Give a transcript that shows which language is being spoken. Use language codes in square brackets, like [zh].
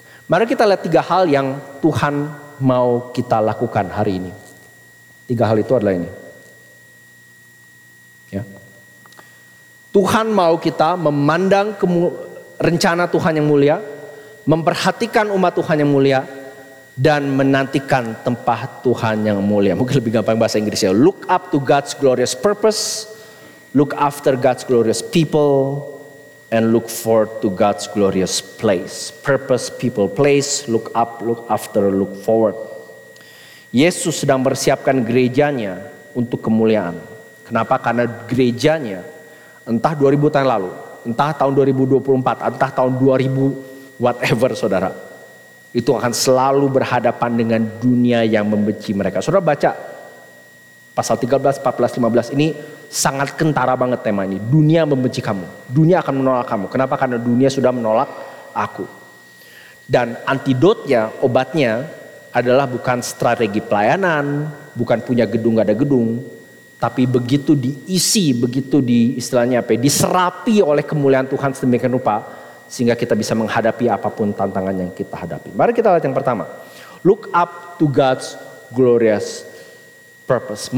[id] Mari kita lihat tiga hal yang Tuhan mau kita lakukan hari ini. Tiga hal itu adalah ini. Ya. Tuhan mau kita memandang rencana Tuhan yang mulia, memperhatikan umat Tuhan yang mulia, dan menantikan tempat Tuhan yang mulia. Mungkin lebih gampang bahasa Inggrisnya. [en] Look up to God's glorious purpose. Look after God's glorious people. And look forward to God's glorious place. Purpose, people, place. Look up, look after, look forward. [id] Yesus sedang persiapkan gerejanya untuk kemuliaan. Kenapa? Karena gerejanya entah 2000 tahun lalu, entah tahun 2024, entah tahun 2000 whatever saudara, itu akan selalu berhadapan dengan dunia yang membenci mereka. Saudara baca pasal 13, 14, 15 ini sangat kentara banget tema ini. Dunia membenci kamu, dunia akan menolak kamu. Kenapa? Karena dunia sudah menolak aku. Dan antidotnya, obatnya adalah bukan strategi pelayanan, bukan punya gedung gak ada gedung, tapi begitu diisi, begitu di istilahnya apa, diserapi oleh kemuliaan Tuhan sedemikian rupa sehingga kita bisa menghadapi apapun tantangan yang kita hadapi. Mari kita lihat yang pertama. [en] Look up to God's glorious purpose.